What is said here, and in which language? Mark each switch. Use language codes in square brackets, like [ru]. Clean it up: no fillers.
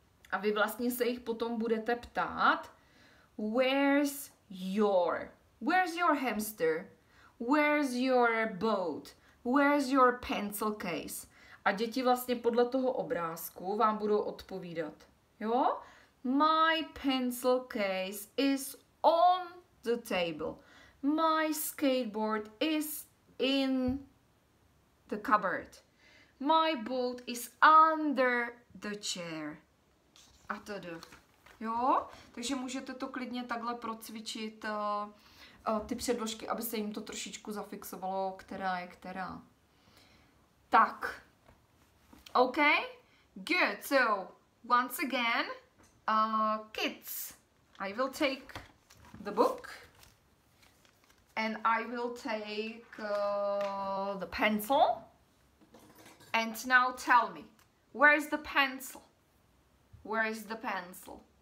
[en] A vy vlastně se jich potom budete ptát, where's your hamster, where's your boat, where's your pencil case. [cs] A děti vlastně podle toho obrázku vám budou odpovídat, jo? [en] My pencil case is on the table. My skateboard is in the cupboard. My boat is under the chair. [cs] A tady. Jo? Takže můžete to klidně takhle procvičit ty předložky, aby se jim to trošičku zafixovalo, která je která. [en] Tak. OK? Good. So, once again, kids, I will take the book. And I will take the pencil. And now tell me, where is the pencil? Where is the pencil?